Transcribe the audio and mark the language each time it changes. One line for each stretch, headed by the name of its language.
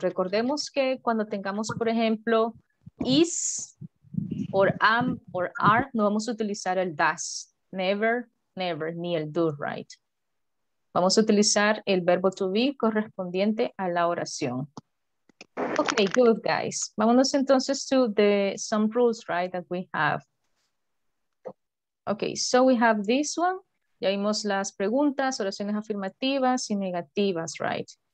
Spanish: Recordemos que cuando tengamos, por ejemplo, is, or am, or are, no vamos a utilizar el does. Never, ni el do, right? Vamos a utilizar el verbo to be correspondiente a la oración.
English: Okay, good guys.
Spanish: Vámonos entonces
English: to the some rules, right, that we have. Okay, so we have this one.
Spanish: Ya vimos las preguntas, oraciones afirmativas y negativas, right?